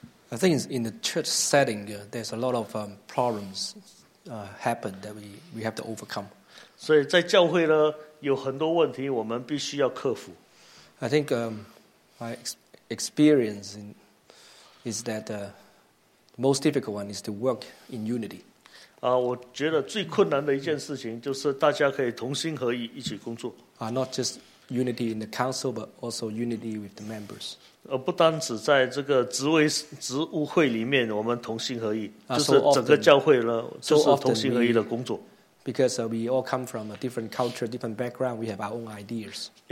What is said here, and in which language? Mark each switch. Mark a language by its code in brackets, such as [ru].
[en] I think in the church setting, there's a lot of problems happen that we have to overcome. [zh] 所以在教会呢, 有很多问题我们必须要克服。 [en] I think my experience is that the most difficult one is to work in unity. [zh] 我觉得最困难的一件事情就是大家可以同心合意一起工作。 [en] Not just unity in the council, but also unity with the members. [zh] 不单只在这个职务会里面 我们同心合意, 就是整个教会呢，就是同心合意的工作。 [en] Because we all come from a different culture, different background, we have our own ideas.